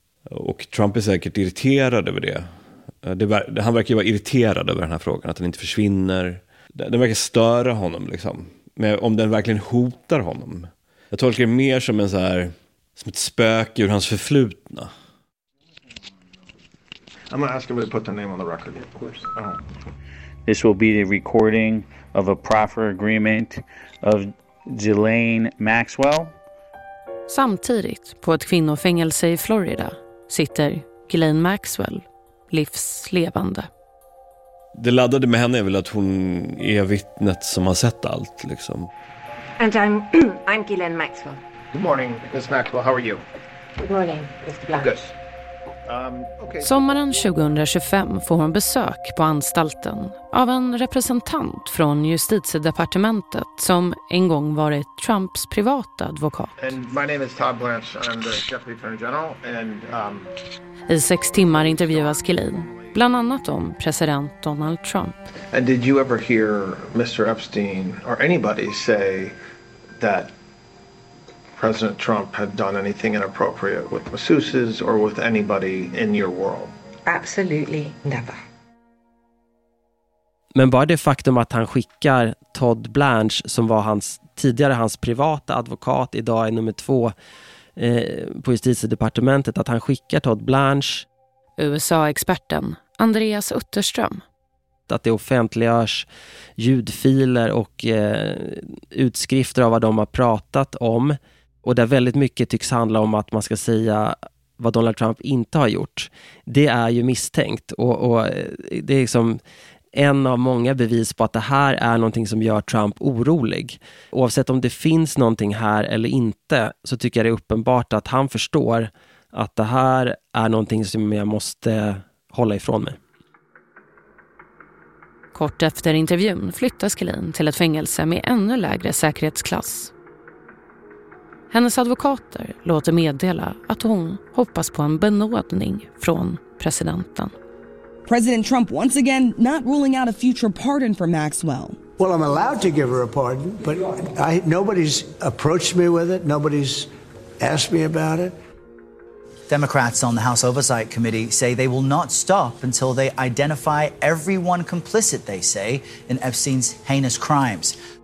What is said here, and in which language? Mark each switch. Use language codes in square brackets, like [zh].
[sv] Och Trump är säkert irriterad över det. Han verkar ju vara irriterad över den här frågan, att den inte försvinner. Den verkar störa honom liksom. Men om den verkligen hotar honom. Jag tolkar det mer som en så här, som ett spöke ur hans förflutna. [en] I'm going to ask him to put the name on the record, of course. This will be the recording of a proffer agreement of Ghislaine Maxwell. [sv] Samtidigt på ett kvinnofängelse i Florida sitter Ghislaine Maxwell livslevande. Det laddade med henne är väl att hon är vittnet som har sett allt liksom. [en] And I'm Ghislaine Maxwell. Good morning, Ms. Maxwell. How are you? Good morning, Mr. Black. Good. Okay. [sv] Sommaren 2025 får hon besök på anstalten av en representant från justitiedepartementet som en gång varit Trumps privata advokat. [en] And my name is Todd Blanche. I'm the Deputy Attorney General. And, [sv] I 6 timmar intervjuas Ghislaine, bland annat om president Donald Trump. [en] And did you ever hear Mr. Epstein or anybody say that President Trump had done anything inappropriate with masseuses or with anybody in your world? Absolutely never. [sv] Men bara det faktum att han skickar Todd Blanche, som var tidigare hans privata advokat, idag är nummer 2 på justitiedepartementet, att han skickar Todd Blanche, USA-experten Andreas Utterström. Att det offentliggörs ljudfiler och utskrifter av vad de har pratat om. Och där väldigt mycket tycks handla om att man ska säga vad Donald Trump inte har gjort. Det är ju misstänkt. Och det är liksom en av många bevis på att det här är någonting som gör Trump orolig. Oavsett om det finns någonting här eller inte, så tycker jag det är uppenbart att han förstår att det här är någonting som jag måste hålla ifrån mig. Kort efter intervjun flyttas Ghislaine till ett fängelse med ännu lägre säkerhetsklass. Hennes advokater låter meddela att hon hoppas på en benådning från presidenten. [en] President Trump once again not ruling out a future pardon for Maxwell. Well, I'm allowed to give her a pardon, but nobody's approached me with it. Nobody's asked me about it. Democrats on the House Oversight Committee say they will not stop until they identify everyone complicit, they say, in Epstein's heinous crimes.